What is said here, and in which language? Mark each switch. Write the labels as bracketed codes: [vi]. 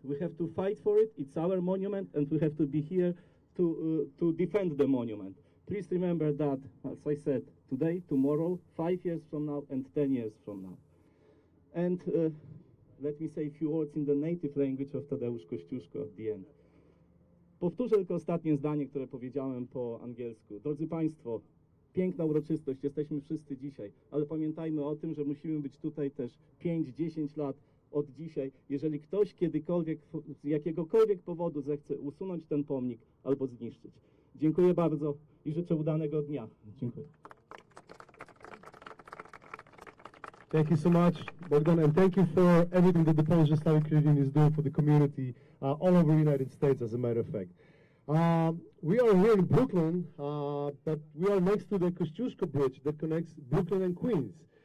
[en] We have to fight for it, it's our monument, and we have to be here to defend the monument. Please remember that, as I said, today, tomorrow, 5 years from now, and 10 years from now. And let me say a few words in the native language of Tadeusz Kościuszko at the end. [pl] Powtórzę tylko ostatnie zdanie, które powiedziałem po angielsku. Drodzy Państwo, piękna uroczystość, jesteśmy wszyscy dzisiaj, ale pamiętajmy o tym, że musimy być tutaj też 5-10 lat od dzisiaj. Jeżeli ktoś kiedykolwiek, z jakiegokolwiek powodu zechce usunąć ten pomnik albo zniszczyć. Dziękuję bardzo i życzę udanego dnia. Dziękuję. [en] Thank you so much, Bogdan, and thank you for everything that the Polish Islamic Union is doing for the community all over the United States, as a matter of fact. We are here in Brooklyn, but we are next to the Kościuszko Bridge that connects Brooklyn and Queens.